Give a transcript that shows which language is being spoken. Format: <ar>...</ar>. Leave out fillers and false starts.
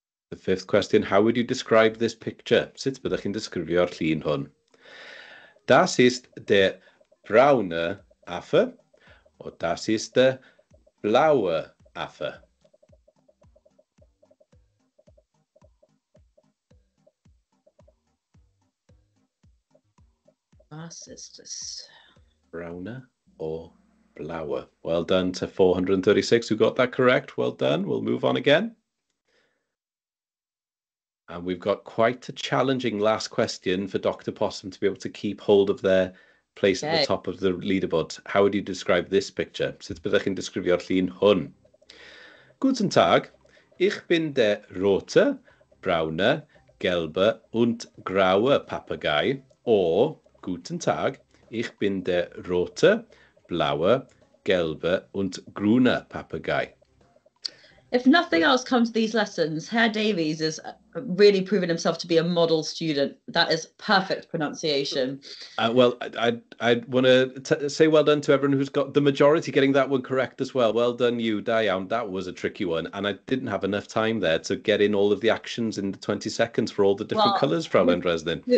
<en>The fifth question, how would you describe this picture?</en> <cy>Sut byddech chi'n disgrifio'r llun hwn?</cy> <de>Das ist der braune Affe, or das ist der blaue Affe? Das ist das braune</de> <en>or blauer. Well done to 436 who got that correct. Well done. We'll move on again. And we've got quite a challenging last question for Dr. Possum to be able to keep hold of their place at the top of the leaderboard. How would you describe this picture?</en> <cy>Sut byddech chi'n disgrifio'r llun hwn?</cy> <de>Guten Tag. Ich bin der rote, braune, gelbe und graue Papagei. Or, guten Tag. Ich bin der rote, blauer, gelber und grüner Papagei.</de> <en>If nothing else comes to these lessons, Herr Davies is really proven himself to be a model student. That is perfect pronunciation. Well, I'd want to say well done to everyone who's got the majority getting that one correct as well. Well done you, Diane. That was a tricky one. And I didn't have enough time there to get in all of the actions in the 20 seconds for all the different colours, Fräulein Dreznin.</en>